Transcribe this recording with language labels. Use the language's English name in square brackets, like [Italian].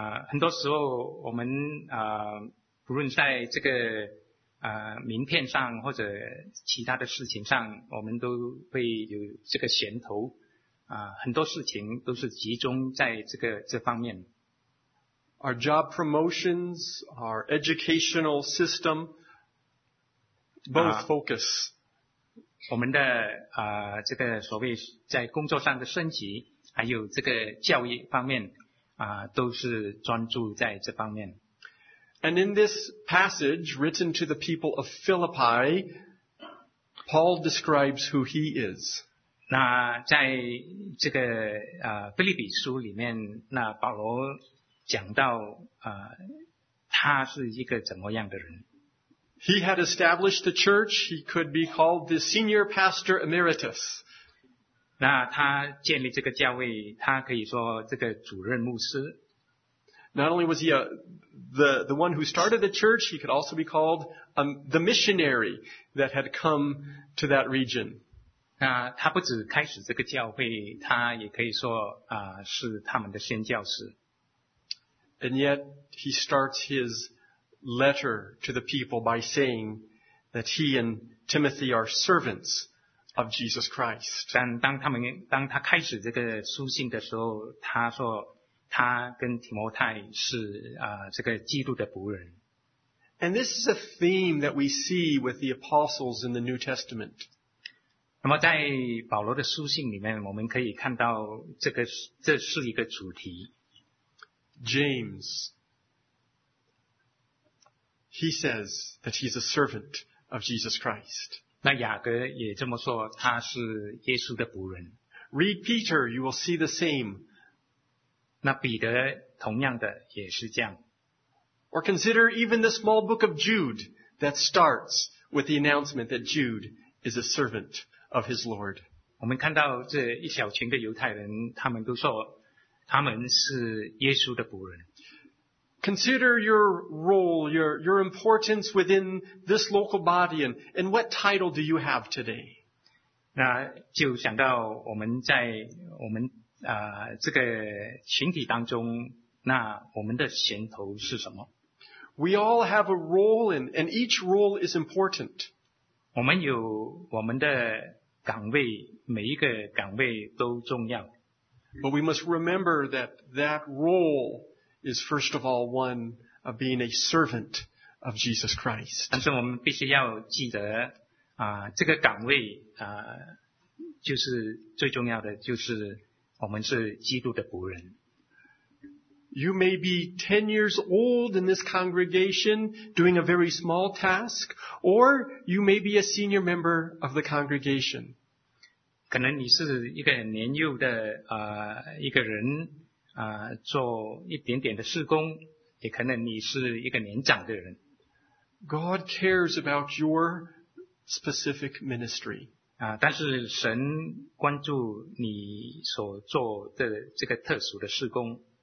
[Chinese] 很多时候我们不论在这个名片上或者其他的事情上，我们都会有这个噱头。很多事情都是集中在这方面。 [English] Our job promotions, our educational system, both focus. [Chinese] 我们的这个所谓在工作上的升级，还有这个教育方面都是专注在这方面。 [English] And in this passage written to the people of Philippi, Paul describes who he is. [Chinese] 那在这个腓立比书里面，那保罗讲到他是一个怎么样的人。 [English] He had established the church. He could be called the senior pastor emeritus. [Chinese] 那他建立这个教会，他可以说这个主任牧师。 [English] Not only was he the one who started the church, he could also be called the missionary that had come to that region. [Chinese] 那他不只开始这个教会，他也可以说是他们的宣教士。 [English] And yet he starts his letter to the people by saying that he and Timothy are servants of Jesus Christ. [Chinese] 但当他开始这个书信的时候，他说他跟提摩太是这个基督的仆人。 [English] And this is a theme that we see with the apostles in the New Testament. [Chinese] 那么在保罗的书信里面，我们可以看到这是一个主题。 [English] James, he says that he's a servant of Jesus Christ. [Chinese] 那雅各也这么说，他是耶稣的仆人。 [English] Read Peter, you will see the same. [Chinese] 那彼得同样的也是这样。 [English] Or consider even the small book of Jude that starts with the announcement that Jude is a servant of his Lord. [Chinese] 我们看到这一小群的犹太人，他们都说他们是耶稣的仆人。 [English] Consider your role, your importance within this local body, and what title do you have today? [Chinese] 那就想到我们在我们这个群体当中，那我们的衔头是什么？ [English] We all have a role, and each role is important. [Chinese] 我们有我们的岗位，每一个岗位都重要。 [English] But we must remember that that role is first of all one of being a servant of Jesus Christ. [Chinese] 但是我们必须要记得这个岗位就是最重要的，就是我们是基督的仆人。 [English] You may be 10 years old in this congregation doing a very small task, or you may be a senior member of the congregation. [Chinese] 可能你是一个年幼的一个人做一点点的事工，也可能你是一个年长的人。 [English] God cares about your specific ministry. [Chinese] 但是神关注你所做的这个特殊的事工。